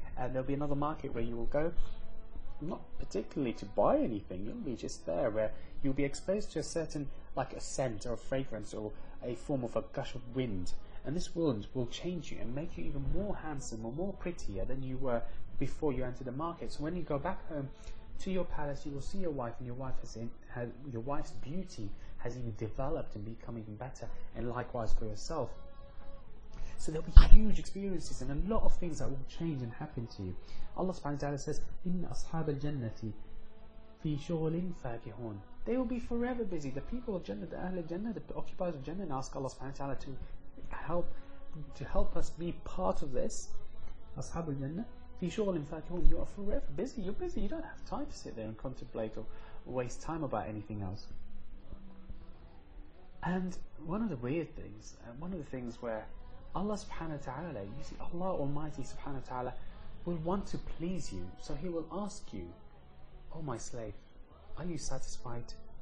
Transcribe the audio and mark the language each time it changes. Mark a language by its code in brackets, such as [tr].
[en] And there'll be another market where you will go, not particularly to buy anything, you'll be just there where you'll be exposed to a certain, like a scent or a fragrance or a form of a gush of wind, and this wind will change you and make you even more handsome or more prettier than you were before you entered the market. So when you go back home to your palace, you will see your wife, and your wife has, your wife's beauty has even developed and become even better, and likewise for yourself. So there will be huge experiences and a lot of things that will change and happen to you. Allah subhanahu wa ta'ala says, [ar] إِنَّ أَصْحَابَ الْجَنَّةِ فِي شُغْلٍ فَاكِهُونَ. [en] They will be forever busy. The people of Jannah, the Ahl of Jannah, the occupiers of Jannah, and ask Allah subhanahu wa ta'ala to help us be part of this. [ar] أصحاب الجنة في شغل فاكهون. [en] You are forever busy. You're busy. You don't have time to sit there and contemplate or waste time about anything else. And one of the weird things, one of the things where Allah subhanahu wa ta'ala, you see, Allah Almighty subhanahu wa ta'ala will want to please you. So He will ask you, oh my slave, are you satisfied?